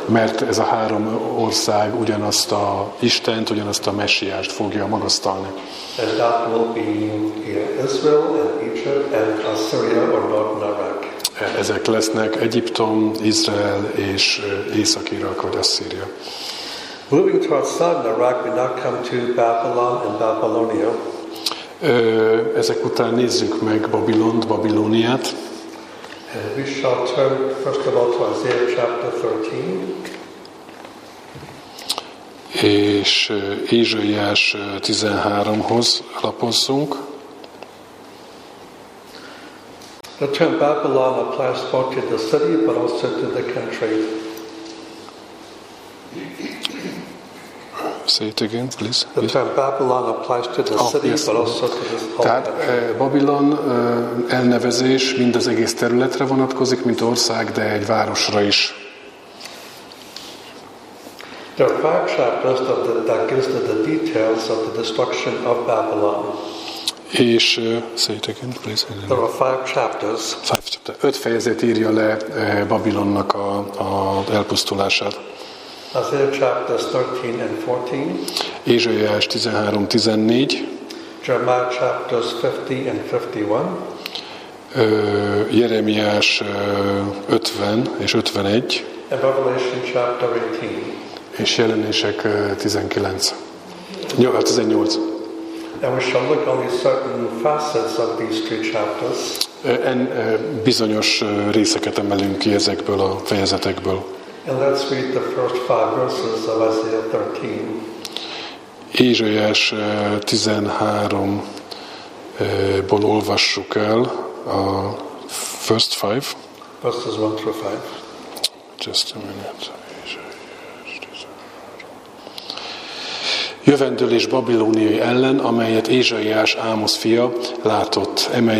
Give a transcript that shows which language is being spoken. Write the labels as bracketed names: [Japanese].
[Hungarian] Mert ez a három ország ugyanazt a Istent, ugyanazt a Messiást fogja magasztalni. [English] And that will be Israel and Egypt and Assyria or Northern Iraq. [Hungarian] Ezek lesznek Egyiptom, Izrael és Észak-Irak vagy Asszíria. [English] Moving towards southern Iraq, we now come to Babylon and Babylonia. [Hungarian] Ezek után nézzük meg Babilont, Babilóniát. [English] And we shall turn first of all to Isaiah chapter 13. [Hungarian] És Ézsaiás 13-hoz lapozzunk. [English] The term Babylon applies both to the city, but also to the country. Say it again, please. The term Babylon applies to the city, yes, but also to the whole country. [Hungarian] Tehát Babylon elnevezés mind az egész területre vonatkozik, mint ország, de egy városra is. [English] There are five chapters that gives the details of the destruction of Babylon. És say it again, please. There are five chapters. [Hungarian] Öt fejezet írja le Babilonnak a elpusztulását. [English] Isaiah chapters 13 and 14. [Hungarian] Ézsaiás 13-14. [English] Jeremiah chapters 50 and 51. [Hungarian] Jeremiás 50 és 51. [English] And Revelation chapter 18. [Hungarian] És Jelenések 19. 18. [English] And we shall look only certain facets of these three chapters. [Hungarian] Bizonyos részeket emelünk ki ezekből a fejezetekből. [English] And let's read the first five verses of Isaiah 13. [Hungarian] Ézsaiás 13-ból olvassuk el a [English] first five. Verses 1 through 5. Just a minute. [Hungarian] Jövendőlés babilóniai ellen, amelyet Ézsaiás Ámosz fia látott.